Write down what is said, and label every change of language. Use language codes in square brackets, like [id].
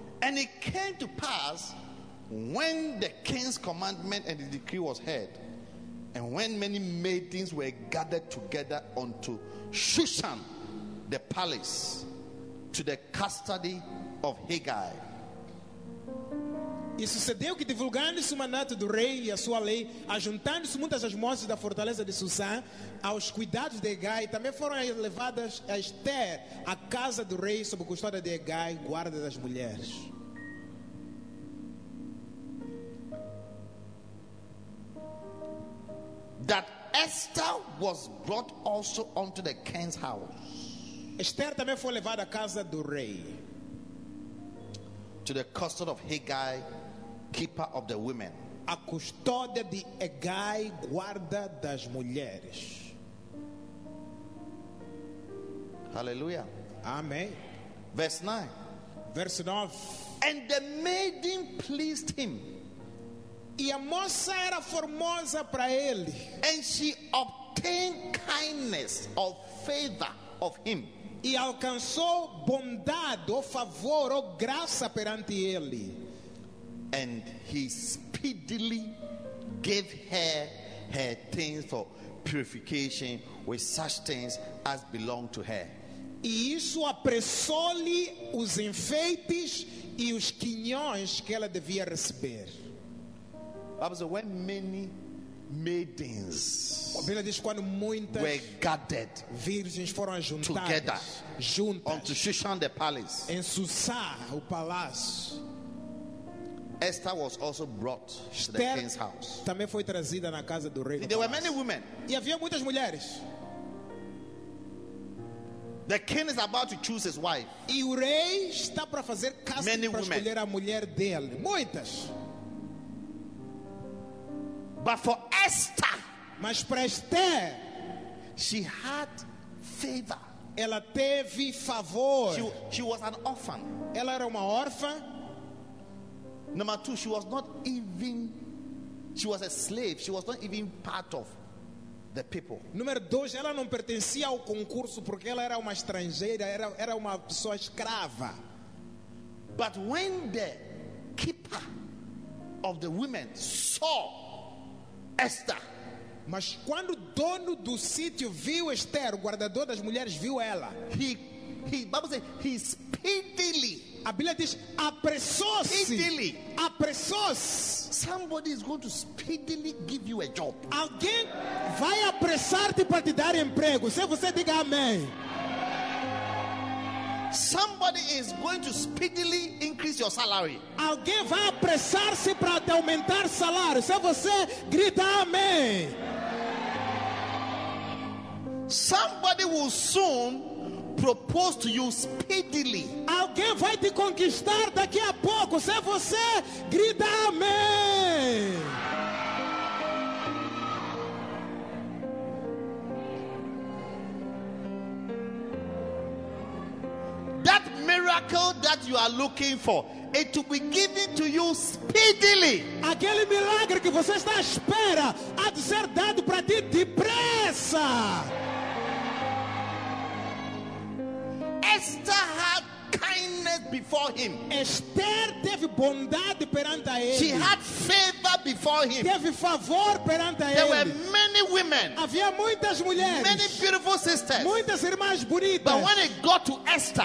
[en] And it came to pass when the king's commandment and the decree was heard, and when many maidens were gathered together unto Shushan, the palace, to the custody of Haggai. [pt] E sucedeu que, divulgando-se o mandato do rei e a sua lei, ajuntando-se muitas as moças da fortaleza de Susã aos cuidados de Hegai, também foram levadas a Esther à casa do rei, sob custódia de Hegai, guarda das mulheres. [en] That Esther was brought also unto the king's house. [pt] Esther também foi levada à casa do rei. [en] To the custody of Hegai, keeper of the women. [pt] A custódia de Hegai, guarda das mulheres. [en] Hallelujah. [pt] Amém. [en] Verse 9. [pt] Verso 9. [en] And the maiden pleased him. [pt] E a moça era formosa para ele. [en] And she obtained kindness or favor of him. [pt] E alcançou bondade ou favor ou graça perante ele. [en] And he speedily gave her her things for purification with such things as belong to her. [pt] E isso apressou-lhe os enfeites e os quinhões que ela devia receber. [en] When many maidens were gathered, [pt] virgens foram juntadas [en] together [pt] juntas [en] unto Shushan the palace, [pt] em Susa o palácio. [en] Esther was also brought Esther to the king's house. [pt] Também foi trazida na casa do rei. [en] There were many women. [pt] E havia muitas mulheres. [en] The king is about to choose his wife. [pt] E o rei está para fazer casting para escolher a mulher dele. Muitas. [en] But for Esther, [pt] mas para Esther, [en] she had favor. [pt] Ela teve favor. [en] She was an orphan. [pt] Ela era uma órfã. [en] Number two, she was not even, she was a slave. She was not even part of the people. [pt] Número dois, ela não pertencia ao concurso porque ela era uma estrangeira, era uma pessoa escrava. [en] But when the keeper of the women saw Esther, [pt] mas quando o dono do sítio viu Esther, o guardador das mulheres viu ela, [en] he speedily. [pt] A Bíblia diz apressou-se. [en] Speedily. [pt] Apressou-se. [en] Somebody is going to speedily give you a job. [pt] Alguém vai apressar-te para te dar emprego. Se você diga amém. [en] Somebody is going to speedily increase your salary. [pt] Alguém vai apressar-se para te aumentar salário. Se você grita amém. [en] Somebody will soon propose to you speedily. [pt] Alguém vai te conquistar daqui a pouco. Se você grita amém. [en] That miracle that you are looking for, it will be given to you speedily. [pt] Aquele milagre que você está à espera há de ser dado para ti depressa. [en] Esther had kindness before him. [pt] Esther teve bondade perante a ele. [en] She had favor before him. [pt] Teve favor perante a ele. [en] There were many women. [pt] Havia muitas mulheres. [en] Many beautiful sisters. [pt] Muitas irmãs bonitas. [en] But when it got to Esther,